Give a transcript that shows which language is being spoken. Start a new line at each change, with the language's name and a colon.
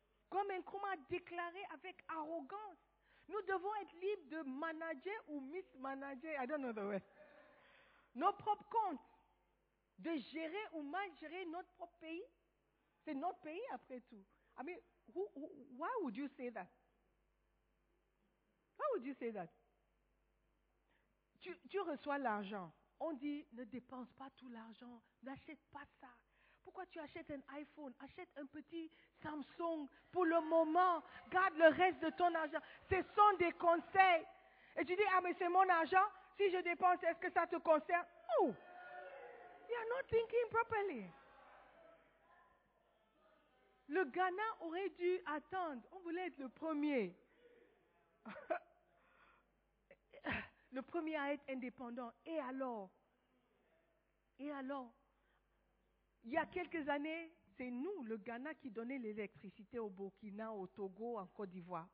French: Comme Nkrumah a déclaré avec arrogance, nous devons être libres de manager ou mismanager,
English: I don't know the way,
French: nos propres comptes, de gérer ou mal gérer notre propre pays. C'est notre pays après tout.
English: I mean, why would you say that? Why would you say that?
French: Tu reçois l'argent. On dit, ne dépense pas tout l'argent. N'achète pas ça. Pourquoi tu achètes un iPhone? Achète un petit Samsung pour le moment. Garde le reste de ton argent. Ce sont des conseils. Et tu dis, ah mais c'est mon argent. Si je dépense, est-ce que ça te concerne? Non.
English: You are not thinking properly.
French: Le Ghana aurait dû attendre. On voulait être le premier. Le premier à être indépendant. Et alors? Et alors? Il y a quelques années, c'est nous, le Ghana, qui donnait l'électricité au Burkina, au Togo, en Côte d'Ivoire.